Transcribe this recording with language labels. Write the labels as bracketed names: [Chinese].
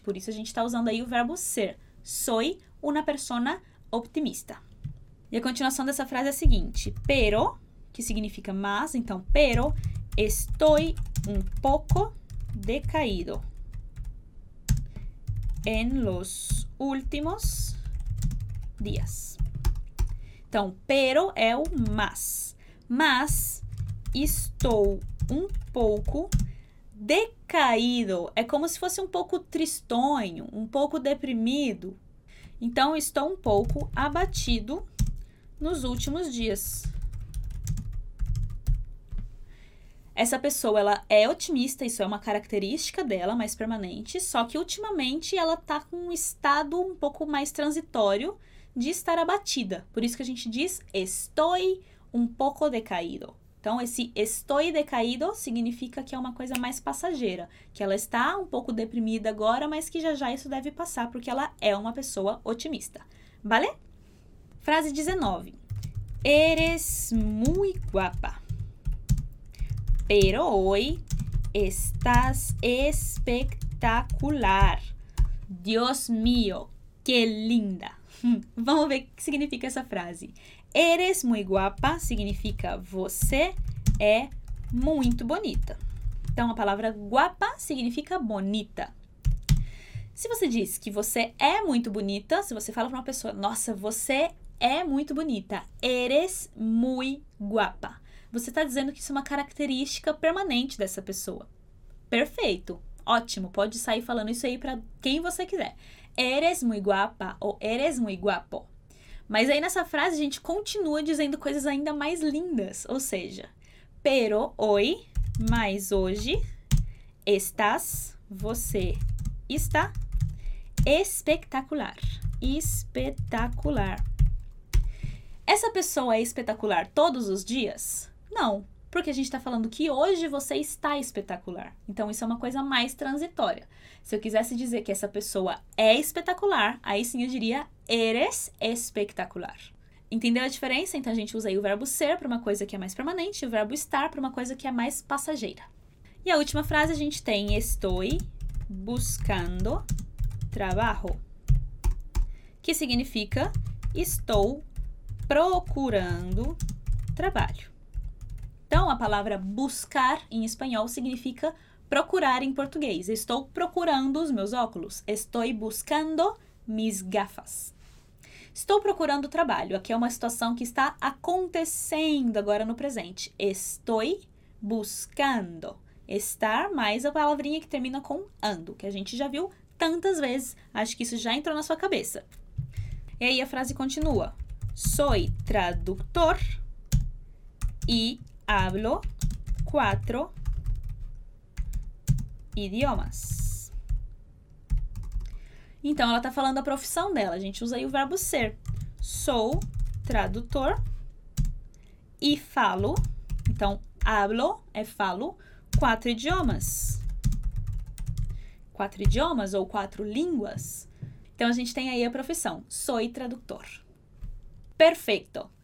[Portuguese] Por isso a gente tá usando aí o verbo ser. [Spanish] Soy una persona optimista. [Portuguese] E a continuação dessa frase é a seguinte. [Spanish] Pero, [Portuguese] que significa mas, então [Spanish] pero, estoy un poco decaído en los últimos días. [Portuguese] Então, pero é o mas. Mas, estou um pouco decaído. É como se fosse um pouco tristonho, um pouco deprimido. Então, estou um pouco abatido nos últimos dias. Essa pessoa, ela é otimista, isso é uma característica dela, mais permanente, só que ultimamente ela tá com um estado um pouco mais transitório de estar abatida. Por isso que a gente diz [Spanish] estoy un poco decaído. [Portuguese] Então, esse [Spanish] estoy decaído [Portuguese] significa que é uma coisa mais passageira, que ela está um pouco deprimida agora, mas que já já isso deve passar, porque ela é uma pessoa otimista. [Spanish] Vale? [Portuguese] Frase 19. [Spanish] Eres muy guapa. Pero hoy estás espectacular. Dios mío, qué linda. [Portuguese] Vamos ver o que significa essa frase. [Spanish] Eres muy guapa [Portuguese] significa você é muito bonita. Então, a palavra guapa significa bonita. Se você diz que você é muito bonita, se você fala para uma pessoa, nossa, você é muito bonita. [Spanish] Eres muy guapa. [Portuguese] Você está dizendo que isso é uma característica permanente dessa pessoa. Perfeito. Ótimo. Pode sair falando isso aí para quem você quiser. [Spanish] Eres muy guapa [Portuguese] ou [Spanish] eres muy guapo. [Portuguese] Mas aí nessa frase a gente continua dizendo coisas ainda mais lindas. Ou seja, [Spanish] pero hoy, [Portuguese] mas hoje, [Spanish] estás, [Portuguese] você está espetacular. Espetacular. Essa pessoa é espetacular todos os dias? Não, porque a gente está falando que hoje você está espetacular. Então, isso é uma coisa mais transitória. Se eu quisesse dizer que essa pessoa é espetacular, aí sim eu diria [Spanish] eres espetacular. [Portuguese] Entendeu a diferença? Então, a gente usa aí o verbo ser para uma coisa que é mais permanente e o verbo estar para uma coisa que é mais passageira. E a última frase a gente tem [Spanish] estoy buscando trabajo, [Portuguese] que significa estou procurando trabalho. Então, a palavra buscar em espanhol significa procurar em português. Estou procurando os meus óculos. [Spanish] Estoy buscando mis gafas. [Portuguese] Estou procurando trabalho. Aqui é uma situação que está acontecendo agora no presente. [Spanish] Estoy buscando. [Portuguese] Estar mais a palavrinha que termina com ando, que a gente já viu tantas vezes. Acho que isso já entrou na sua cabeça. E aí a frase continua. [Spanish] Soy traductor y hablo 4 idiomas. [Portuguese] Então, ela está falando a profissão dela. A gente usa aí o verbo ser. Sou tradutor e falo. Então, hablo é falo 4 idiomas. 4 idiomas ou 4 línguas. Então, a gente tem aí a profissão. [Spanish] Soy traductor. [Portuguese] Perfeito!